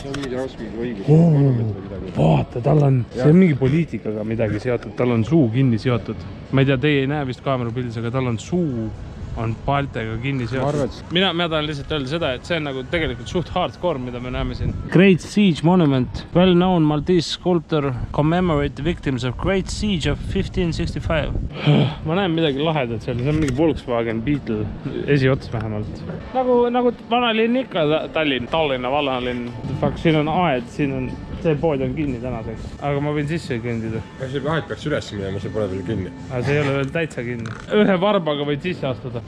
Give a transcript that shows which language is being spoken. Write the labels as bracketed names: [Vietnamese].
[Estonian] See on mingi rasmik õigus. Vaata, tal on, see on mingi poliitikaga midagi seotud. Tal on suu kinni seotud. Ma ei tea, teie ei näe vist kaamerapildis, aga tal on suu. On paltega kinni seotud. Mina tahan lihtsalt öelda seda, et see on nagu tegelikult suht hardcore, mida me näeme siin. [English] Great Siege Monument. Well known Maltese sculptor commemorate the victims of Great Siege of 1565. [Estonian] Ma näen midagi lahedat seal. See on mingi Volkswagen Beetle esiots vähemalt. Nagu vanalinn ikka Tallinna vanalinn. Siin on aed, siin on... See pood on kinni tänaseks, aga ma võin sisse kõndida. See aeg peaks üles minema, see pole veel kinni. Aga see ei ole veel täitsa kinni. Ühe varbaga võid sisse astuda.